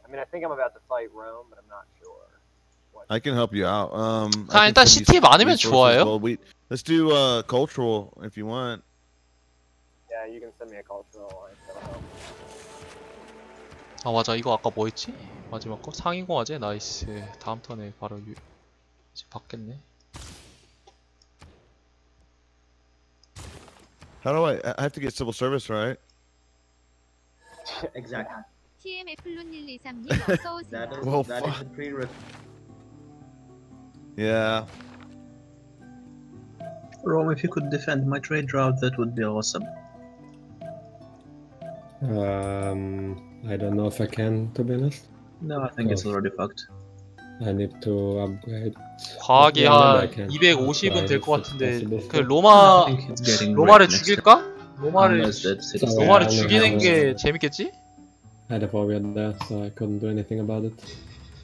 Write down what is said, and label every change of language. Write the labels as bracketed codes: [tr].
[en] I mean, I think I'm about to fight Rome, but I'm not sure. I can help you out. [ko] 일단 CT 많으면 좋아요. [en] Let's do cultural if you want. Yeah, you can send me a cultural alliance. [ko] 아 맞아 이거 아까 뭐였지? 마지막 거 상위 공화제 나이스. 다음 턴에 바로 이제 받겠네. [en] How do I have to get civil service, right? Exactly. [ko] TM 에플론 123님 어서 오세요. [en] That is the pre-rec. Yeah. Rome, if you could defend my trade route, that would be awesome. I don't know if I can, to be honest. No, I think it's already fucked. I need to upgrade. [ko] 과학이 한 250은 될 것 같은데, 그 로마를 죽일까? 로마를 죽이는 게 재밌겠지? [en] I had a warrior there, so I couldn't do anything about it.